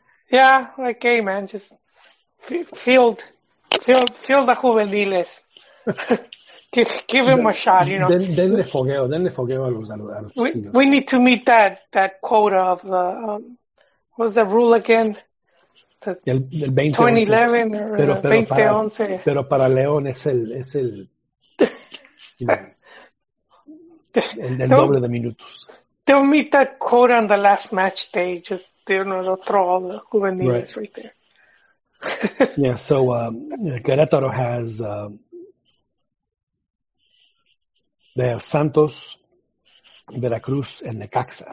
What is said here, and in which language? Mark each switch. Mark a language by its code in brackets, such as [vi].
[en] Yeah, like, hey, man, just field the juveniles. Give him a shot, you know. Then we need to meet that quota of the, what was the rule again? [es] Del 2011 or 2011. Pero para León es el, el doble de minutos. [en] They'll meet that quota on the last match day. Just, you know, they'll throw all the juveniles right there. Yeah, so Querétaro has, they have Santos, Veracruz, and Necaxa.